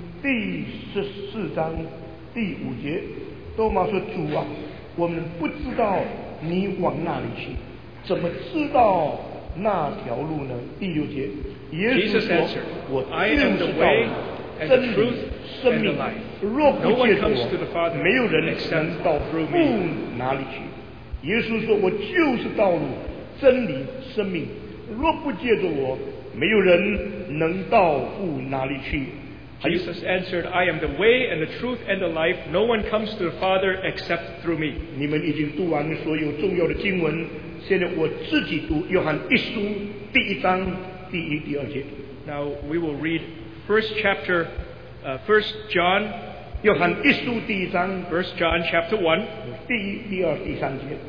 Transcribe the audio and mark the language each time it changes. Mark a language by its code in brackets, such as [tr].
[zh] 第14章第5节，多马说主啊，我们不知道你往哪里去，怎么知道那条路呢？第6节，耶稣说，我就是道，真理，生命。若不借着我，没有人能到父那里去。耶稣说，我就是道路，真理，生命。若不借着我，没有人能到父那里去。 [en] Jesus answered, I am the way and the truth and the life. No one comes to the Father except through me. [zh] 你们已经读完所有重要的经文, 现在我自己读约翰一书第1章第1、第2节。 [en] Now we will read first John, [zh] 约翰一书第1章, [en] 1 John chapter 1, [zh] 第1、第2、第3节,